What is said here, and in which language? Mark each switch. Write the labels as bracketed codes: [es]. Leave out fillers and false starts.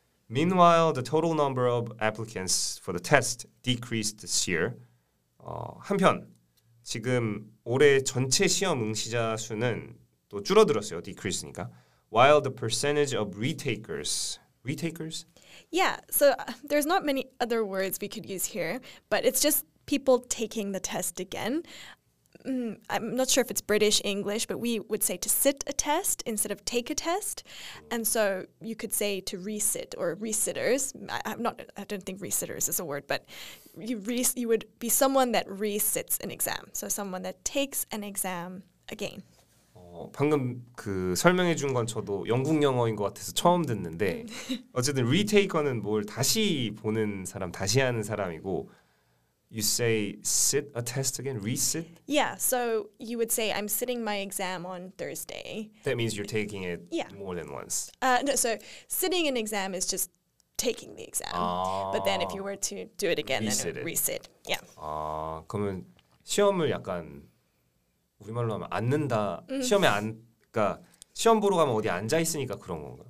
[en] Meanwhile, the total number of applicants for the test decreased this year. [ko] 한편 지금 올해 전체 시험 응시자 수는 또 줄어들었어요. [en] Decreased니까. While the percentage of retakers. Yeah. So there's not many other words we could use here, but it's just people taking the test again. I'm not sure if it's British English, but we would say to sit a test instead of take a test. And so you could say to resit or resitters. I don't think resitters is a word, but you would be someone that resits an exam. So someone that takes an exam again. [ko] 방금 그 설명해 준 건 저도 영국 영어인 것 같아서 처음 듣는데 어쨌든 retaker는 뭘 다시 보는 사람, 다시 하는 사람이고 [en] You say sit a test again, resit? Yeah, so you would say I'm sitting my exam on Thursday. That means you're taking it more than once. No, so sitting an exam is just taking the exam. 아, But then if you were to do it again, resit then it. Resit. Yeah. [ko] 아, 그러면 시험을 약간 우리말로 하면 앉는다. 시험에 안 그러니까 시험 보러 가면 어디 앉아 있으니까 그런 건가?